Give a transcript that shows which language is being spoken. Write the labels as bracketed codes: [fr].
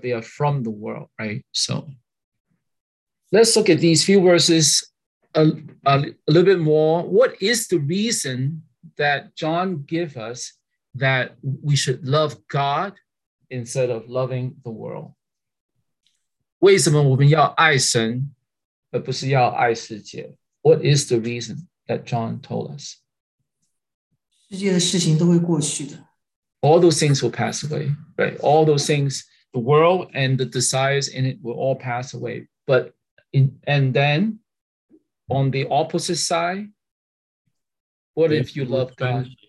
[en] They are from the world, right? So let's look at these few verses a little bit more. What is the reason that John gives us that we should love God instead of loving the world? [zh] 为什么我们要爱神, 而不是要爱世界? [en] What is the reason that John told us? [zh] 世界的事情都会过去的。 [en] All those things will pass away, right? All those things, the world and the desires in it will all pass away. But then on the opposite side, what if you love God?